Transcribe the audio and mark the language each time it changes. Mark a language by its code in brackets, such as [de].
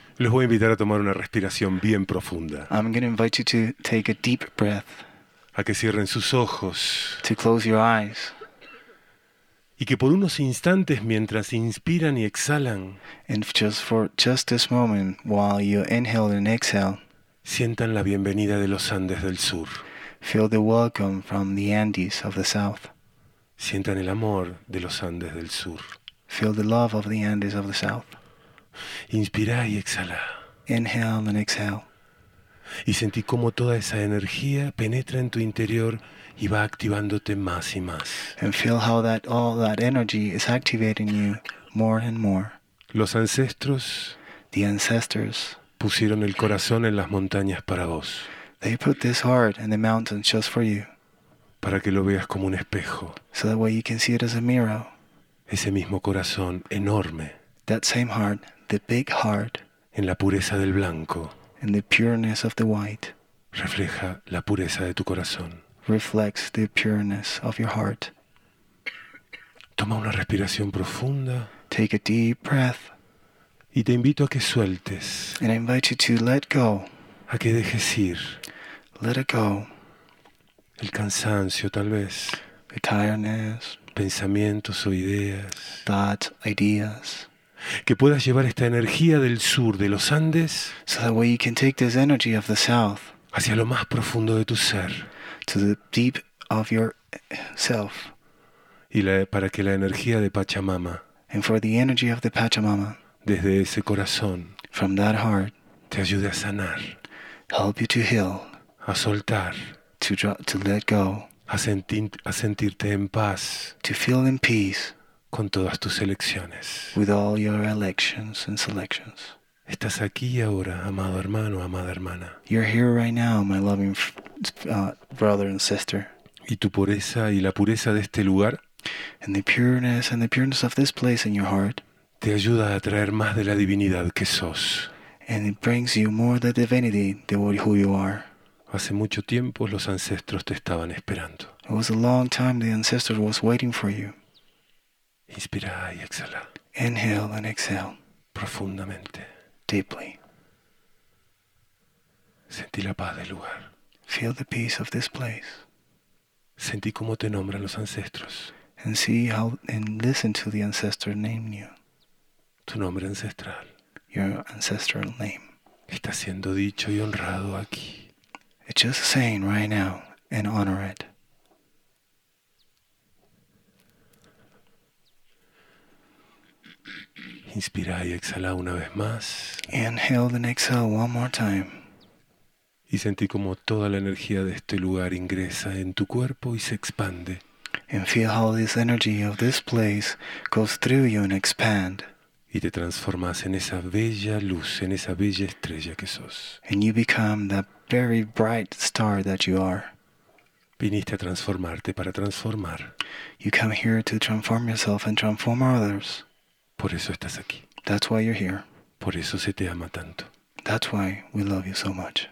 [es] los voy a invitar a tomar una respiración bien profunda. [en] I'm going to invite you to take a deep breath. [es] A que cierren sus ojos. [en] To close your eyes. [es] Y que por unos instantes mientras inspiran y exhalan, [en] and just this moment while you inhale and exhale, [es] sientan la bienvenida de los Andes del Sur. [en] Feel the welcome from the Andes of the South. [es] Sientan el amor de los Andes del Sur. [en] Feel the love of the Andes of the South. [es] Inspira y exhala. [en] Inhale and exhale. [es] Y sentí cómo toda esa energía penetra en tu interior y va activándote más y más. [en] And feel how that all that energy is activating you more and more. [es] Los ancestros, [en] the ancestors, [es] pusieron el corazón en las montañas para vos. [en] They put this heart in the mountains just for you. [es] Para que lo veas como un espejo. [en] So that way you can see it as a mirror. [es] Ese mismo corazón enorme. [en] That same heart, the big heart. [es] En la pureza del blanco. [en] In the pureness of the white. [es] Refleja la pureza de tu corazón. [en] Reflects the pureness of your heart. [es] Toma una respiración profunda. [en] Take a deep breath. [es] Y te invito a que sueltes. [en] And I invite you to let go. [es] A que dejes ir. [en] Let it go. [es] El cansancio, tal vez. [en] The tiredness. [es] Pensamientos o ideas. [en] Thoughts, ideas. [es] Que puedas llevar esta energía del sur, de los Andes. [en] So that way you can take this energy of the south. [es] Hacia lo más profundo de tu ser. [en] To the deep of your self. [es] Y para que la energía de Pachamama. [en] And for the energy of the Pachamama. [es] Desde ese corazón. [en] From that heart. [es] Te ayude a sanar. [en] Help you to heal. [es] A soltar. [en] To let go. [es] A sentirte en paz. [en] To feel in peace. [es] Con todas tus elecciones. [en] With all your elections and selections. [es] Estás aquí ahora, amado hermano, amada hermana. [en] You're here right now, my loving brother and sister. [es] Y tu pureza y la pureza de este lugar. [en] And the pureness of this place in your heart. [es] Te ayuda a traer más de la divinidad que sos. [en] And it brings you more the divinity than who you are. [es] Hace mucho tiempo los ancestros te estaban esperando. [en] It was a long time the ancestors was waiting for you. [es] Inspira y exhala. [en] Inhale and exhale. [es] Profundamente. [en] Deeply. [es] Sentí la paz del lugar. [en] Feel the peace of this place. [es] Sentí cómo te nombran los ancestros. [en] And see how and listen to the ancestor name you. [es] Tu nombre ancestral. [en] Your ancestral name. [es] Está siendo dicho y honrado aquí. [en] It's just saying right now and honor it. [es] Inspira y exhala una vez más. [en] Inhale and exhale one more time. [es] Y sentí como toda la energía de este lugar ingresa en tu cuerpo y se expande. [en] And feel how this energy of this place goes through you and expand. [es] Y te transformas en esa bella luz, en esa bella estrella que sos. [en] And you become that very bright star that you are. [es] Viniste a transformarte para transformar. [en] You come here to transform yourself and transform others. [es] Por eso estás aquí. [en] That's why you're here. [es] Por eso se te ama tanto. [en] That's why we love you so much.